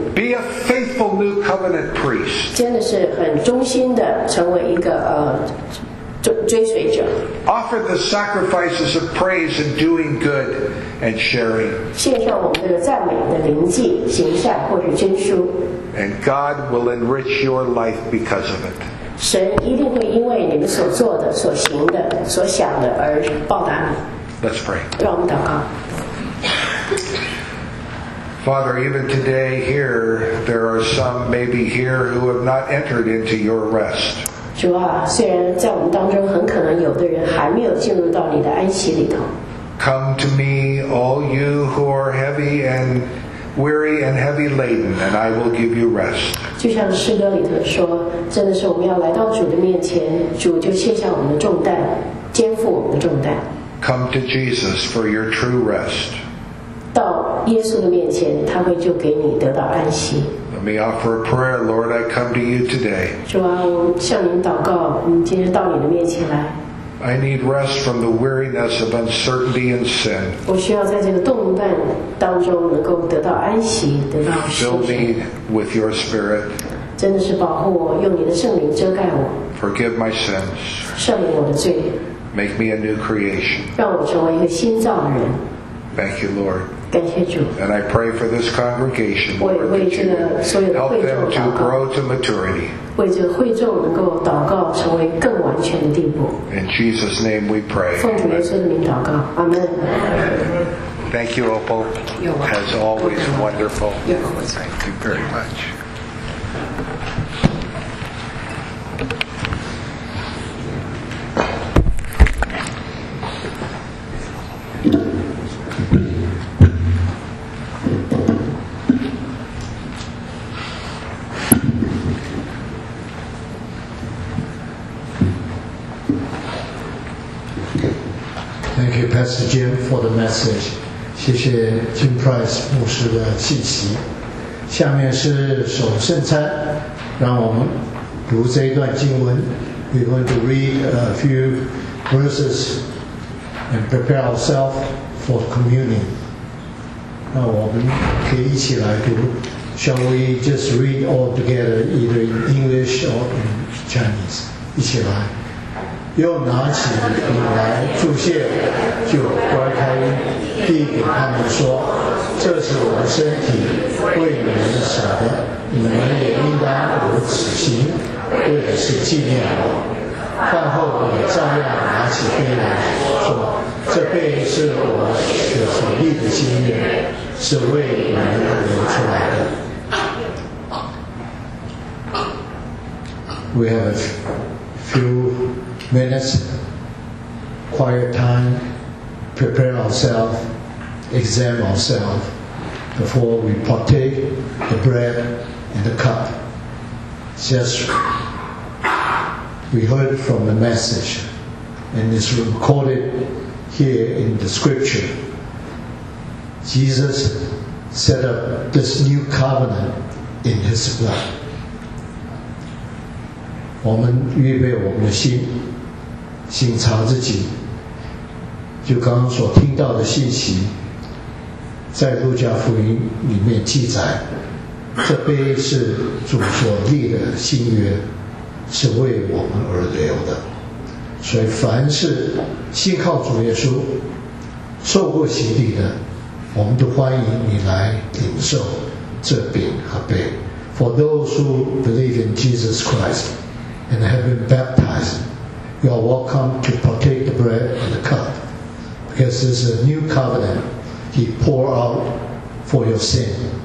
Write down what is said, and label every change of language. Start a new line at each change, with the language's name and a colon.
English: Be a faithful new covenant priest.
Chinese: 真的是很忠心的成为一个追随者。
English: Offer the sacrifices of praise and doing good and sharing.
Chinese: 献上我们的赞美的灵祭，行善或者捐书。
English: And God will enrich your life because of it.
Chinese: 神一定会因为你们所做的、所行的、所想的而报答你。
English: Let's pray.
Chinese: 让我们祷告。
English: Father, even today here, there are some maybe here who have not entered into your rest.
Chinese: 主啊，虽然在我们当中很可能有的人还没有进入到你的安息里头。
English: Come to me, all you who are heavy and weary and heavy laden, and I will give you rest.
Chinese: 就像诗歌里头说，真的是我们要来到主的面前，主就卸下我们的重担，肩负我们的重担。
English: Come to Jesus for your true rest.
Chinese: 到耶稣的面前，他会就给你得到安息。
English: Let me offer a prayer, Lord. I come to you today.
Chinese: 主啊，我向您祷告，我今天到你的面前来。
English: I need rest from the weariness of uncertainty and sin.
Chinese: 我需要在这个动荡当中能够得到安息，得到休息。
English: Fill me with your Spirit.
Chinese: 真的是保护我，用你的圣灵遮盖我。
English: Forgive my sins.
Chinese: 赦免我的罪。
English: Make me a new creation.
Chinese: 让我成为一个新造的人。
English: Thank you, Lord.
Chinese: 感谢主。
English: And I pray for this congregation, Lord, that you help them to grow to maturity.
Chinese: 为这个所有的会众祷告。为这个会众能够祷告成为更完全的地步。
English: In Jesus' name we pray.
Chinese: 奉主耶稣的名祷告。Amen.
English: Thank you, Opal. As always, wonderful. Thank you very much. Pastor Jim for the message.
Chinese: 谢谢 Jim Price 牧师的信息。下面是守圣餐，让我们读这一段经文。
English: We're going to read a few verses and prepare ourselves for communion.
Chinese: 那我们可以一起来读。
English: Shall we just read all together, either in English or in Chinese?
Chinese: 一起来。又拿起笔来注谢，就掰开递给他们说：“这是我的身体，为你们舍的，你们也应当如此行，为的是纪念我。” 饭后也照样拿起杯来说：“这杯是我血和力的经验，是为你们流出来的。”
English: We have a few minutes quiet time, prepare ourselves, examine ourselves before we partake the bread and the cup. Just we heard from the message and it's recorded here in the scripture. Jesus set up this new covenant in his blood.
Chinese: 我们预备我们的心，省察自己，就刚刚所听到的信息，在路加福音里面记载，这杯是主所立的新约，是为我们而留的。所以凡是信靠主耶稣受过洗礼的，我们都欢迎你来领受这饼和杯。
English: For those who believe in Jesus ChristAnd have been baptized, you are welcome to partake the bread and the cup. Because this is a new covenant he poured out for your sin.